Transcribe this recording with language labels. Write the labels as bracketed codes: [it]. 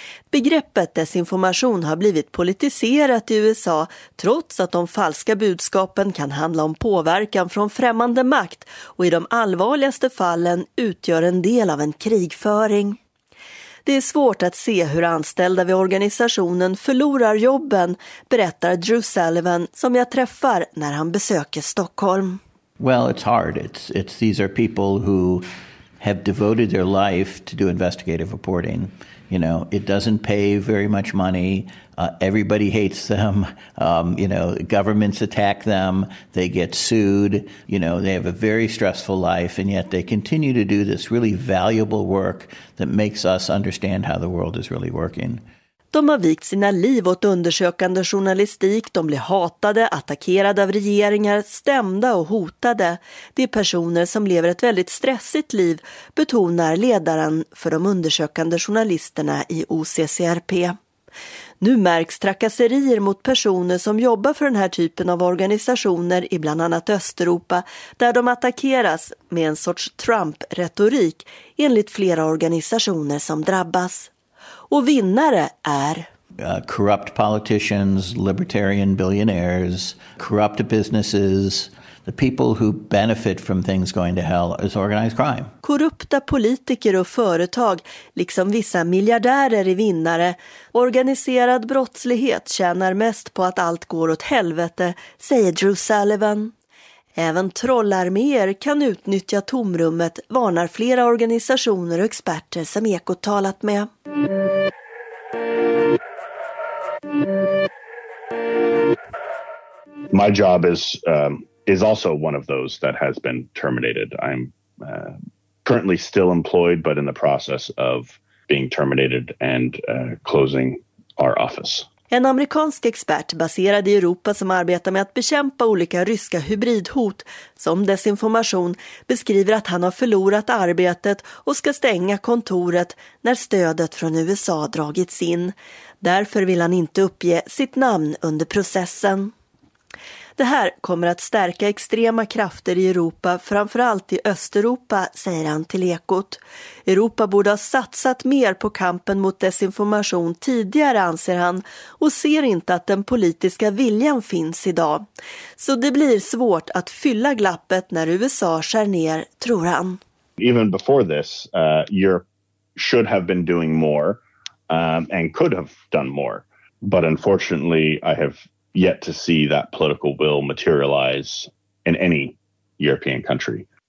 [sv] Begreppet desinformation har blivit politiserat i USA trots att de falska budskapen kan handla om påverkan från främmande makt och i de allvarligaste fallen utgör en del av en krigföring. Det är svårt att se hur anställda vid organisationen förlorar jobben, berättar Drew Sullivan som jag träffar när han besöker Stockholm. [en] Well, it's hard. These are people who have devoted their life to do investigative reporting. You know, it doesn't pay very much money. Everybody hates them. Governments attack them. They get sued. You know, they have a very stressful life. And yet they continue to do this really valuable work that makes us understand how the world is really working. [sv] De har vikt sina liv åt undersökande journalistik. De blir hatade, attackerade av regeringar, stämda och hotade. Det är personer som lever ett väldigt stressigt liv, betonar ledaren för de undersökande journalisterna i OCCRP. Nu märks trakasserier mot personer som jobbar för den här typen av organisationer i bland annat Östeuropa, där de attackeras med en sorts Trump-retorik enligt flera organisationer som drabbas. Och vinnare är [en] corrupt politicians, libertarian billionaires, corrupt businesses, The people who benefit from things going to hell is organized crime. [sv] Korrupta politiker och företag, liksom vissa miljardärer är vinnare. Organiserad brottslighet tjänar mest på att allt går åt helvete, säger Drew Sullivan. Även trollarméer kan utnyttja tomrummet, varnar flera organisationer och experter som Ekot talat med. [en] My job is also one of those that has been terminated. I'm currently still employed, but in the process of being terminated and closing our office. [sv] En amerikansk expert baserad i Europa som arbetar med att bekämpa olika ryska hybridhot som desinformation beskriver att han har förlorat arbetet och ska stänga kontoret när stödet från USA dragits in. Därför vill han inte uppge sitt namn under processen. Det här kommer att stärka extrema krafter i Europa, framförallt i Östeuropa, säger han till Ekot. Europa borde ha satsat mer på kampen mot desinformation tidigare, anser han, och ser inte att den politiska viljan finns idag. Så det blir svårt att fylla glappet när USA skär ner, tror han. [en] Even before this, Europe should have been doing more and could have done more. But unfortunately, I have yet to see that political will materialize in any European country.